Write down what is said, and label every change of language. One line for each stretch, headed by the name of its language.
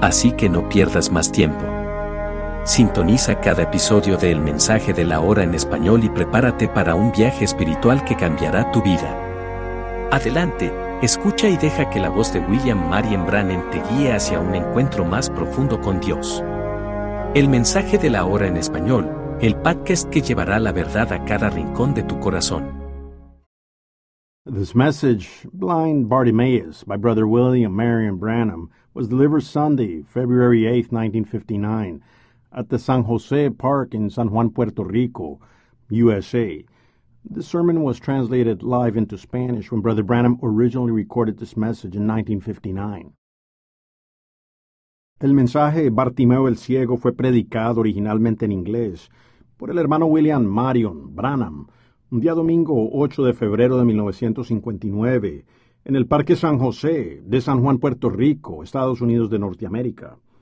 Spanish: Así que no pierdas más tiempo. Sintoniza cada episodio de El Mensaje de la Hora en Español y prepárate para un viaje espiritual que cambiará tu vida. Adelante, escucha y deja que la voz de William Marion Branham te guíe hacia un encuentro más profundo con Dios. El Mensaje de la Hora en Español, el podcast que llevará la verdad a cada rincón de tu corazón.
English: This message, Blind Bartimaeus, by Brother William Marion Branham, was delivered Sunday, February 8, 1959. At the San Jose Park in San Juan, Puerto Rico, USA. The sermon was translated live into Spanish when Brother Branham originally recorded this message in 1959.
Spanish: El mensaje Bartimeo el Ciego fue predicado originalmente en inglés por el hermano William Marion Branham, un día domingo 8 de febrero de 1959, en el Parque San José de San Juan, Puerto Rico, Estados Unidos de Norteamérica.